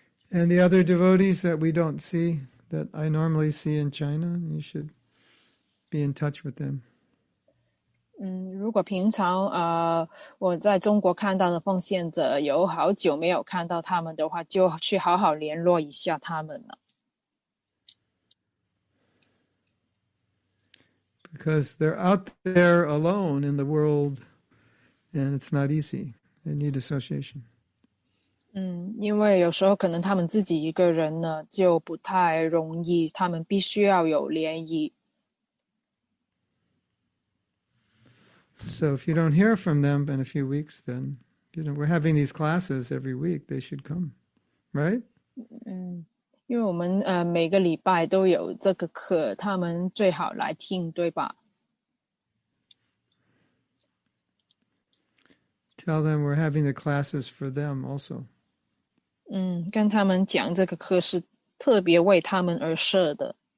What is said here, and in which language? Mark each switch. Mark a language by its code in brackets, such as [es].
[en] And the other devotees that we don't see, that I normally see in China, you should be in touch with them. [zh] 如果平常我在中国看到的奉献者有好久没有看到他们的话，就去好好联络一下他们了。 [en] Because they're out there alone in the world, and it's not easy. They need association. [zh] 因为有时候可能他们自己一个人呢就不太容易，他们必须要有联谊。 [en] So if you don't hear from them in a few weeks, then we're having these classes every week. They should come, right? [zh] 因为我们每个礼拜都有这个课，他们最好来听，对吧？ [en] Tell them we're having the classes for them also. [zh] 嗯，跟他们讲这个课是特别为他们而设的。